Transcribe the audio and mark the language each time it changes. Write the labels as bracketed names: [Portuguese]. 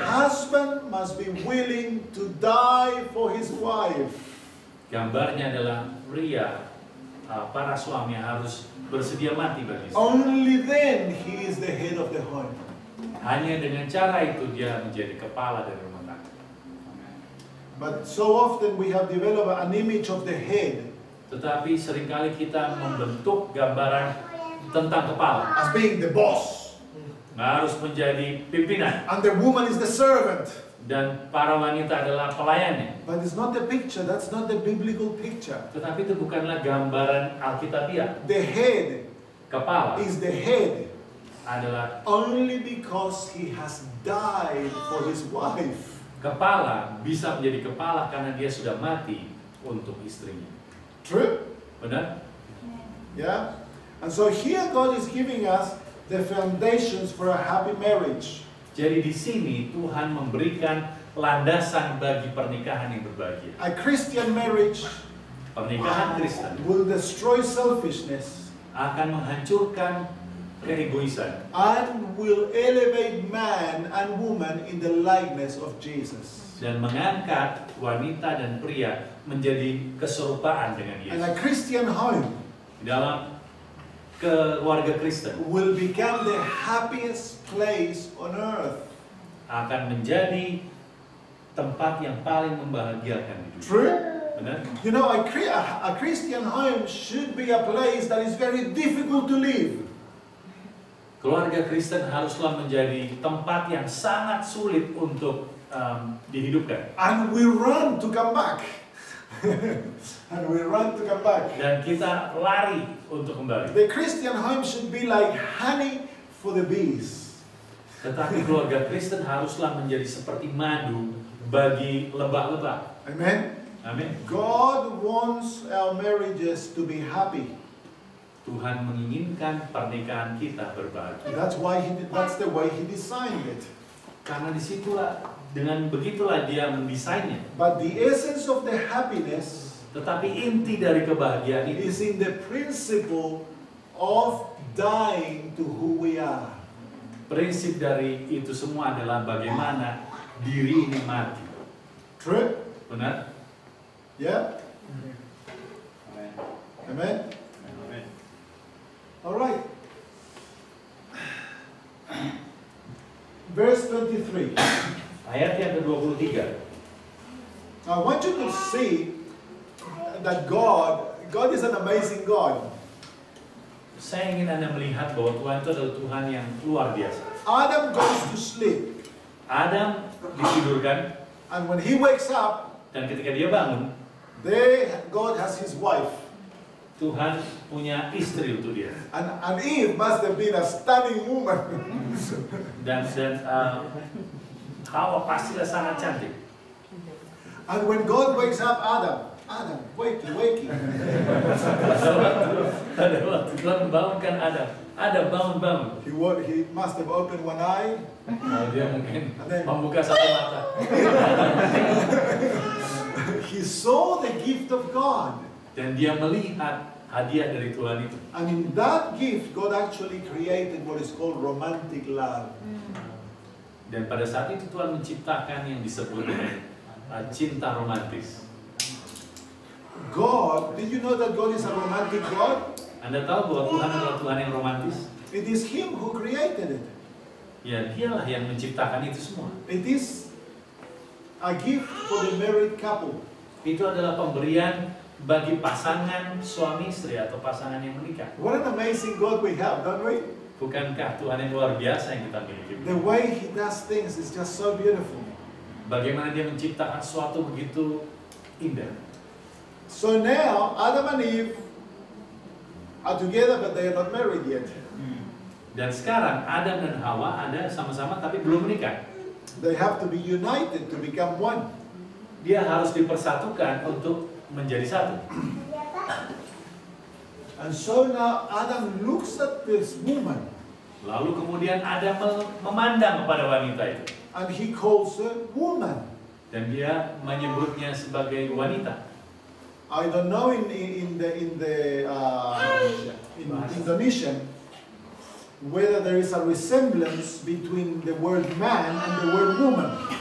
[English] The husband must be willing to die for his wife. [Indonesian] Gambarnya adalah pria. Para suami harus bersedia mati bagi istri. [English] Only then he is the head of the home. [Indonesian] Hanya dengan cara itu dia menjadi kepala dari rumah tangga. [English] But so often we have developed an image of the head. [Indonesian] Tetapi seringkali kita membentuk gambaran tentang kepala. [English] As being the boss. [Indonesian] Harus menjadi pimpinan. [English] And the woman is the servant. [Indonesian] Dan para wanita adalah pelayannya. [English] But it's not the picture. That's not the biblical picture. [Indonesian] Tetapi itu bukanlah gambaran Alkitabiah. [English] The head [Indonesian] kepala, [English] is the head, [Indonesian] adalah [English] only because he has died for his wife. [Indonesian] Kepala bisa menjadi kepala karena dia sudah mati untuk istrinya. [English] True? [Indonesian] Benar? [English] Yeah. And so here God is giving us the foundations for a happy marriage. [Indonesian] Jadi di sini Tuhan memberikan landasan bagi pernikahan yang berbahagia. [English] A Christian marriage, [Indonesian] pernikahan Kristen, [English] will destroy selfishness, [Indonesian] akan menghancurkan keegoisan, [English] and will elevate man and woman in the likeness of Jesus. [Indonesian] Dan mengangkat wanita dan pria menjadi keserupaan dengan Yesus. [English] And a Christian home, [Indonesian] dalam keluarga Kristen, [English] will become the happiest place on earth, [Indonesian] akan menjadi tempat yang paling membahagiakan di dunia. [English] True? [Indonesian] Benar? [English] You know, a Christian home should be a place that is very difficult to live. [Indonesian] Keluarga Kristen haruslah menjadi tempat yang sangat sulit untuk dihidupkan. [English] And we run to come back. And we run to come back. [Indonesian] Dan kita lari untuk kembali. [English] The Christian home should be like honey for the bees. [Indonesian] Tetapi keluarga Kristen haruslah menjadi seperti madu bagi lebah-lebah. [English] Amen. [Indonesian] Amen. [English] God wants our marriages to be happy. [Indonesian] Tuhan menginginkan pernikahan kita berbahagia. [English] That's the way He designed it. [Indonesian] Karena disitulah, dengan begitulah Dia mendesainnya. [English] But the essence of the happiness, [Indonesian] tetapi inti dari kebahagiaan itu, [English] is in the principle of dying to who we are. [Indonesian] Prinsip dari itu semua adalah bagaimana diri ini mati. [English] True? [Indonesian] Benar? [English] Yeah? Amen. Amen? Amen. All right. Verse 23. [Indonesian] Ayat yang ke-23. [English] I want you to see that God is an amazing God. [Indonesian] Saya ingin Anda melihat bahwa Tuhan itu adalah Tuhan yang luar biasa. [English] Adam goes to sleep. [Indonesian] Adam ditidurkan, [English] and when he wakes up, [Indonesian] dan ketika dia bangun, [English] God has his wife. [Indonesian] Tuhan punya istri untuk dia. [English] And Eve must have been a stunning woman. [Indonesian] Dan Hawa pastilah sangat cantik. [English] And when God wakes up Adam, wakey. [Indonesian] Pada waktu Tuhan membangunkan Adam. Ada bangun. [English] He must have opened one eye. [Indonesian] Dia mungkin membuka satu mata. [English] He saw the gift of God. [Indonesian] Dan dia melihat hadiah dari Tuhan itu. [English] And in that gift, God actually created what is called romantic love. [Indonesian] Dan pada saat itu Tuhan menciptakan yang disebut dengan cinta romantis. [English] God, did you know that God is a romantic God? [Indonesian] Anda tahu bahwa Tuhan adalah Tuhan yang romantis? [English] It is Him who created it. [Indonesian] Ya, Dialah yang menciptakan itu semua. [English] It is a gift for the married couple. [Indonesian] Itu adalah pemberian bagi pasangan suami istri atau pasangan yang menikah. [English] What an amazing God we have, don't we? [Indonesian] Bukankah Tuhan yang luar biasa yang kita miliki? [English] The way He does things is just so beautiful. [Indonesian] Bagaimana Dia menciptakan sesuatu begitu indah. [English] So now Adam and Eve are together, but they are not married yet. [Indonesian] Dan sekarang Adam dan Hawa ada sama-sama tapi belum menikah. [English] They have to be united to become one. [Indonesian] Dia harus dipersatukan untuk menjadi satu. [English] And so now Adam looks at this woman. [Indonesian] Lalu kemudian Adam memandang kepada wanita itu. [English] And he calls her woman. [Indonesian] Dan dia menyebutnya sebagai wanita. [English] I don't know in Indonesia whether there is a resemblance between the word man and the word woman.